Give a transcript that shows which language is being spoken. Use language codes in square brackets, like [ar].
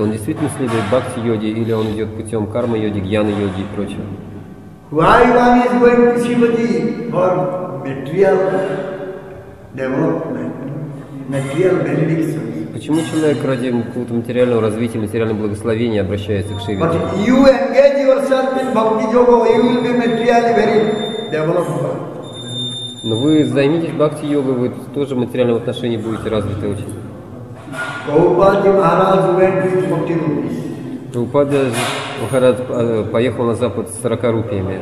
[ru] Он действительно следует бхакти-йоге или он идет путем карма-йоги, гьяна-йоги и прочего? [en] Why one is going to Shivaji for material development, material benediction? [ru] Почему человек ради какого-то материального развития, материального благословения обращается к Шиве? [en] But you engage yourself in bhakti yoga, you will be materially very developed. [ru] Но вы займитесь бхакти йогой, вы тоже в материальном отношении будете развиты очень. [en] Prabhupada Maharaj went with 40 rupees. [ru] Прабхупада Махарадж поехал на Запад с 40 рупиями.